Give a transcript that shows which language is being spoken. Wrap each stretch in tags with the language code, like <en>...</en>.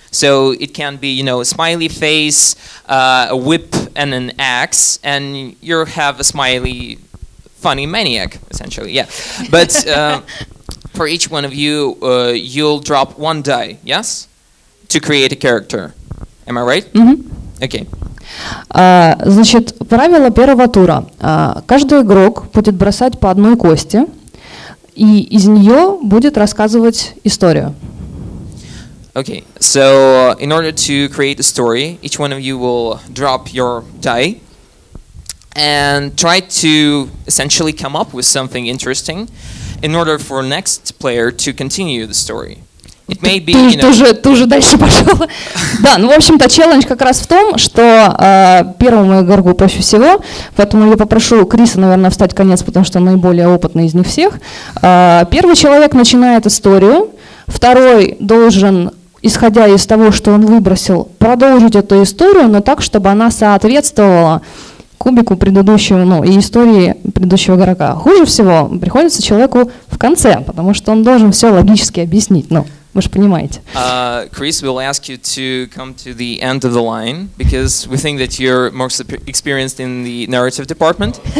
<en>So it can be, you know, a smiley face, a whip, and an axe, and you have a smiley, funny maniac essentially. Yeah, but. For each one of you, you'll drop one die, yes? To create a character. Am I right? Mm-hmm. Okay.</en> <ru>Значит, правило первого тура. Каждый игрок будет бросать по одной кости, и из нее будет рассказывать историю.</ru> <en>Okay, so in order to create a story, each one of you will drop your die and try to essentially come up with something interesting. In order for next player to continue the story, it may be, you know.</en> <ru>Ты уже дальше пошел. Да, ну в общем-то челлендж как раз в том, что первому игроку проще всего, поэтому я попрошу Криса, наверное, встать конец, потому что он наиболее опытный из них всех. Первый человек начинает историю, второй должен, исходя из того, что он выбросил, продолжить эту историю, но так, чтобы она соответствовала кубику предыдущего, ну, и истории предыдущего игрока. Хуже всего приходится человеку в конце, потому что он должен все логически объяснить. Ну, вы же понимаете.</ru> <en>Крис will ask you to come to the end of the line, because we think that you're more experienced in the narrative department.</en>